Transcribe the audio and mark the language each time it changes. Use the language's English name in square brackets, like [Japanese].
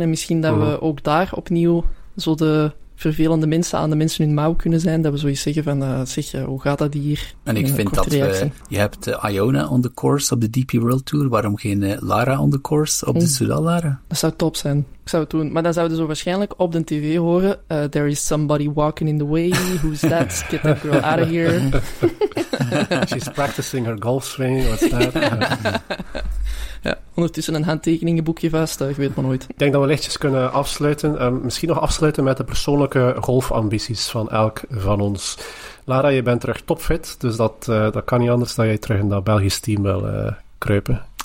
[Dutch] En misschien dat we ook daar opnieuw zo de vervelende mensen aan de mensen in mouw kunnen zijn. Dat we zoiets zeggen van, hoe gaat dat hier? En ik vind dat je hebt Iona on the course op de DP World Tour. Waarom geen Lara on the course op de Soudal, Lara? Dat zou top zijn. Ik zou het doen. Maar dan zouden ze waarschijnlijk op de tv horen, [English] there is somebody walking in the way. Who's that? Get that girl out of here. She's practicing her golf swing. What's that? [Dutch] Ja, ondertussen een handtekeningenboekje vast, ik weet maar nooit. Ik denk dat we lichtjes kunnen afsluiten. Misschien nog afsluiten met de persoonlijke golfambities van elk van ons. Lara, je bent terug topfit, dus dat kan niet anders dan jij terug in dat Belgisch team wil kruipen.